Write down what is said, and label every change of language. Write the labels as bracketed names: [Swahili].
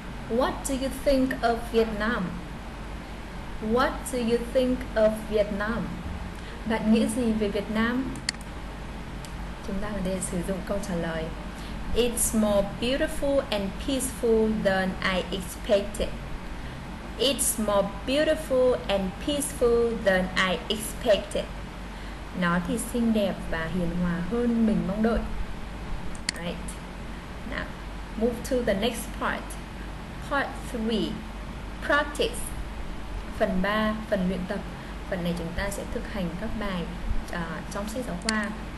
[English] What do you think of Vietnam? What do you think of Vietnam? [Vietnamese] Bạn nghĩ gì về Việt Nam? Chúng ta ở đây sử dụng câu trả lời [English] It's more beautiful and peaceful than I expected. It's more beautiful and peaceful than I expected. [Vietnamese] Nó thì xinh đẹp và hiền hòa hơn mình mong đợi. [English] Right. Now, move to the next part. Part 3, practice. [Vietnamese] Phần 3, phần luyện tập. Phần này chúng ta sẽ thực hành các bài trong sách giáo khoa.